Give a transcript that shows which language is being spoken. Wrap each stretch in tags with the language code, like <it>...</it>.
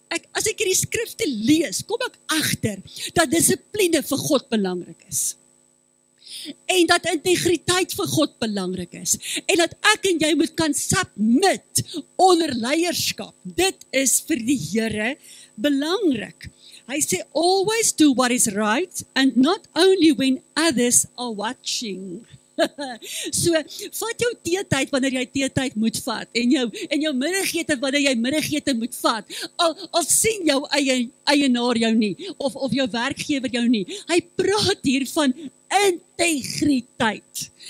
<af>As ek hierdie skrifte lees, kom ek agter dat dissipline vir God belangrik is. En dat integriteit vir God belangrik is. En dat ek en jy moet kan submit onder leierskap. Dit is vir die Here belangrik. Hy sê,</af> <en>always do what is right and not only when others are watching.</en> <af>So, vat jou teetyd wanneer jy teetyd moet vat en jou middagete wanneer jy middagete moet vat. Al sien jou eienaar jou nie of jou werkgewer jou nie. Hy praat hier van integriteit.</af>